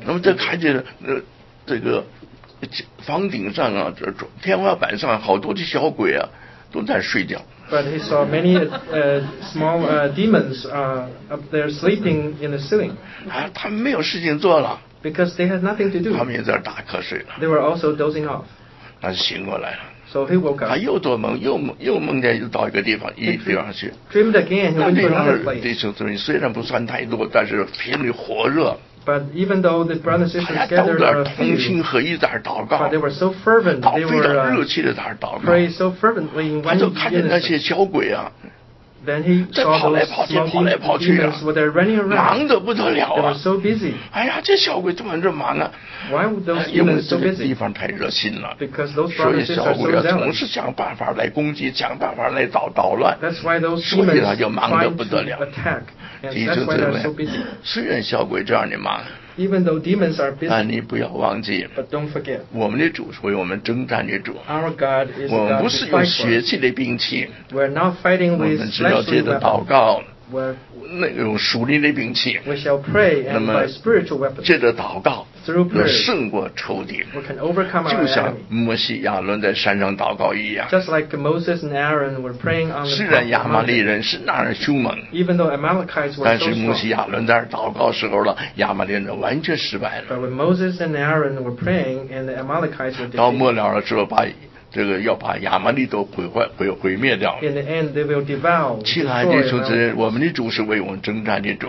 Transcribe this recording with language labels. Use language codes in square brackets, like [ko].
[zh] 那么这看见这个房顶上啊，这天花板上好多的小鬼啊，都在睡觉。 [en] But he saw many small demons up there sleeping in the ceiling. [zh] 他们没有事情做了。 [en] Because they had nothing to do. [zh] 他们也在打瞌睡了。 [en] They were also dozing off. [zh] 他醒过来了。 [en] So he woke up. [zh] 他又做梦，又梦见又到一个地方，一地方去。 [en] Dreamed again. He went to another place. [zh] 弟兄姊妹虽然不算太多，但是频率火热。 [en] But even though the brothers and sisters gathered a few, but they were so fervent, they were pray so fervently in one innocent. Then he saw those small demons where they're running around. They were so busy. [zh] 哎呀，这小鬼怎么这么忙啊？ [en] Why would those demons so busy? [zh] 因为这个地方太热心了。 [en] Because those brothers and sisters are so zealous. [zh] 所以小鬼总是想办法来攻击，想办法来捣乱。 [en] That's why those demons find to attack. And that's why they're so busy. [zh] 虽然小鬼这样的忙。 [en] Even though demons are busy, [zh] 但你不要忘记 [en] but don't forget, [zh] 我们的主是为我们征战的主 [en] our God is [zh] 我们不是用血气的兵器 [en] We're not fighting with [zh] 我们只要借着祷告那种属灵的兵器 [en] we shall pray and by spiritual weapons, [zh] 借着祷告 [en] through prayer, [zh] 能胜过仇敌 [en] we can overcome our [zh] 就像摩西亚伦在山上祷告一样 [en] just like Moses and Aaron were praying on the mountain [zh] 虽然亚玛利人是那样凶猛 [en] even though Amalekites were [zh] 但是摩西亚伦在祷告时候了亚玛利人完全失败了 [en] but when Moses and Aaron were praying and the Amalekites were defeated [zh] 到末了的时候把这个要把亚玛利都毁灭掉。 [en] In the end, they will devour. [zh] 亲爱的弟兄姊妹，我们的主是为我们征战的主。